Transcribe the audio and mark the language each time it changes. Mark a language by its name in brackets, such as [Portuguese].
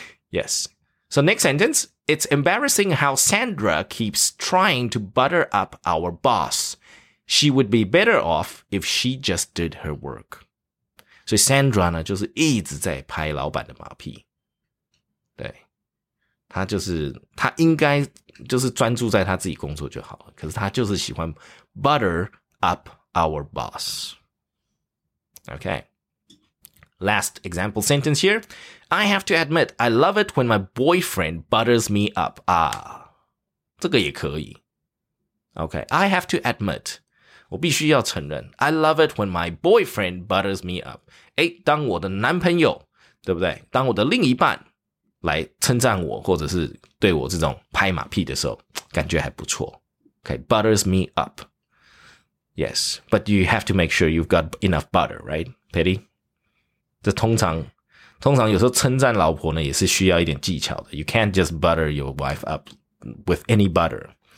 [English] Yes. So next sentence, it's embarrassing how Sandra keeps trying to butter up our boss. She would be better off if she just did her work. [Chinese] 所以 Sandra 呢就是一直在拍老板的马屁。对。他应该就是专注在他自己工作就好了。可是他就是喜欢 [English] butter up our boss. [Chinese] Okay. [English] Last example sentence here. I have to admit, I love it when my boyfriend butters me up. [Chinese] 啊。这个也可以。Okay. [English] I have to admit, [Chinese] 我必须要承认 [English] I love it when my boyfriend butters me up. [Chinese] 诶，当我的男朋友，对不对？当我的另一半来称赞我，或者是对我这种拍马屁的时候，感觉还不错。 [English] Okay, butters me up. Yes, but you have to make sure you've got enough butter, right, Petty? [Chinese] 这通常有时候称赞老婆呢，也是需要一点技巧的。 [English] You can't just butter your wife up with any butter.